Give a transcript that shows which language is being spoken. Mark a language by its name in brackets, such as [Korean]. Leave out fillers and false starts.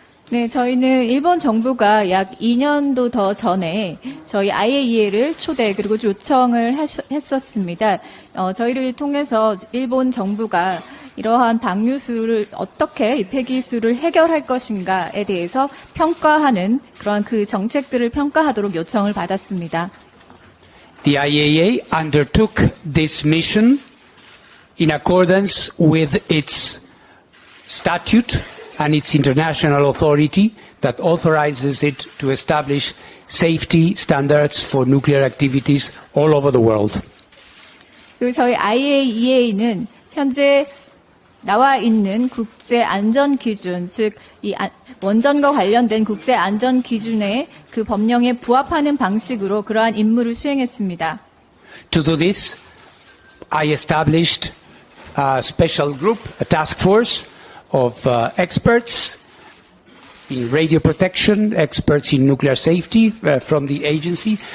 [Korean] 네, 저희는 일본 정부가 약 2년도 더 전에 저희 IAEA를 초대 그리고 요청을 했었습니다. 저희를 통해서 일본 정부가 이러한 방류수를 어떻게 이 폐기수를 해결할 것인가에 대해서 평가하는 그러한 그 정책들을 평가하도록 요청을 받았습니다. [English] The IAEA undertook this mission in accordance with its statute and its international authority that authorizes it to establish safety standards for nuclear activities all over the world. [Korean] 그리고 저희 IAEA는 현재 나와 있는 국제 안전 기준, 즉 이 원전과 관련된 국제 안전 기준의 그 법령에 부합하는 방식으로 그러한 임무를 수행했습니다. [English] To do this, I established a special group, a task force of experts in radio protection, experts in nuclear safety from the agency.